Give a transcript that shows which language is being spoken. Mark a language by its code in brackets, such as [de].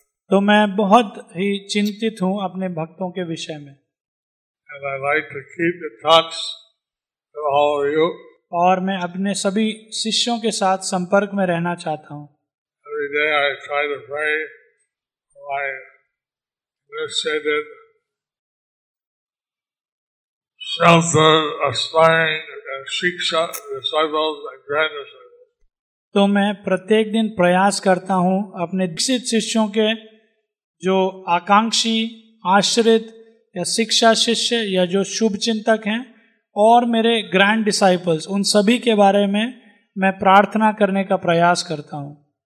[hi] तो मैं बहुत ही चिंतित हूँ अपने भक्तों के विषय में. [en] And I like to keep in touch with all of you. [hi] और मैं अपने सभी शिष्यों के साथ संपर्क में रहना चाहता हूँ. [en] Every day I try to pray for my initiated shelter, aspiring and shiksha disciples and grand disciples. [hi] तो मैं प्रत्येक दिन प्रयास करता हूँ अपने दीक्षित शिष्यों के जो आकांक्षी आश्रित या शिक्षा शिष्य या जो शुभचिंतक हैं और मेरे ग्रैंड डिसाइपल्स, उन सभी के बारे में मैं प्रार्थना करने का प्रयास करता हूँ.